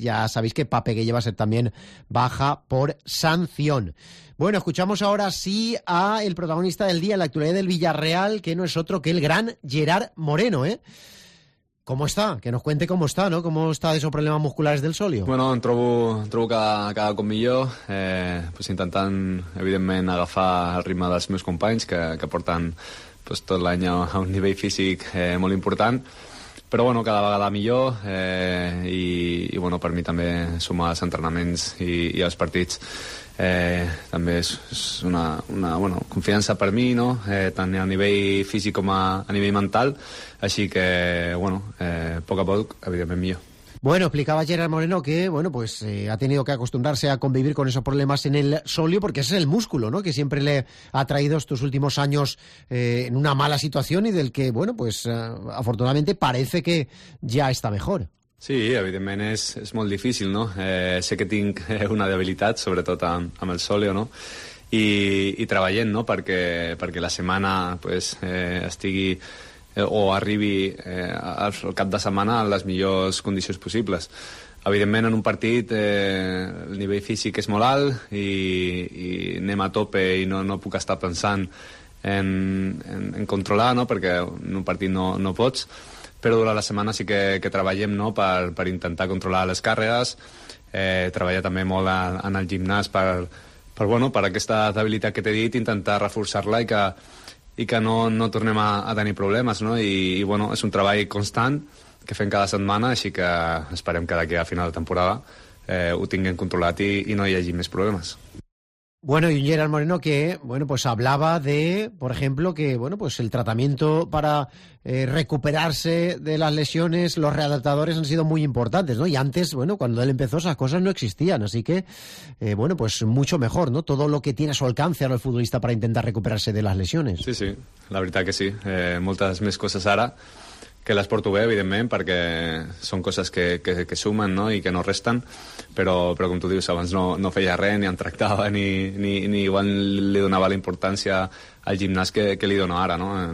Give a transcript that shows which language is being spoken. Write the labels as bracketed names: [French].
[Spanish] Ya sabéis que Pape Gueye va a ser también baja por sanción. Bueno, escuchamos ahora sí a el protagonista del día en la actualidad del Villarreal, que no es otro que el gran Gerard Moreno, ¿eh? ¿Cómo está? Que nos cuente cómo está, ¿no? ¿Cómo está de esos problemas musculares del solio? [Catalan] Bueno, trobo cada cop millor, pues intentant, evidentment, agafar el ritme dels meus companys, que porten pues, tot l'any a un nivell físic molt important, però bueno, cada vegada millor, i bueno, per mi també sumar els entrenaments i els partits. També és una bueno, confiança per mi, no? Tant a nivell físic com a nivell mental, així que, bueno, poc a poc, evidentment millor. [Spanish] Bueno, explicaba Gerard Moreno que, bueno, pues ha tenido que acostumbrarse a convivir con esos problemas en el solio, porque ese es el músculo, ¿no?, que siempre le ha traído estos últimos años en una mala situación y del que, bueno, pues afortunadamente parece que ya está mejor. [Catalan] Sí, evidentment és molt difícil, no? Sé que tinc una debilitat, sobretot amb el sòlio, no? I treballant, no? Perquè la setmana pues, estigui o arribi al cap de setmana en les millors condicions possibles. Evidentment, en un partit el nivell físic és molt alt i anem a tope i no puc estar pensant en controlar, no? Perquè en un partit no pots... Però durant la setmana sí que treballem, no?, per intentar controlar les càrregues, treballar també molt en el gimnàs per, bueno, per aquesta debilitat que t'he dit, intentar reforçar-la i que no tornem a tenir problemes, no? I bueno, és un treball constant que fem cada setmana, així que esperem que d'aquí a final de temporada ho tinguem controlat i no hi hagi més problemes. [Spanish] Bueno, y Gerard Moreno que, bueno, pues hablaba de, por ejemplo, que, bueno, pues el tratamiento para recuperarse de las lesiones, los readaptadores han sido muy importantes, ¿no? Y antes, bueno, cuando él empezó esas cosas no existían, así que, bueno, pues mucho mejor, ¿no? Todo lo que tiene a su alcance ahora el futbolista para intentar recuperarse de las lesiones. Sí, sí, la verdad que sí. Muchas más cosas ahora que [Catalan] las porto bé, evidentment, perquè són coses que sumen, no?, i que no resten, però com tu dius, abans no feia res, ni em tractava, ni igual li donava la importància al gimnàs que li dono ara, no?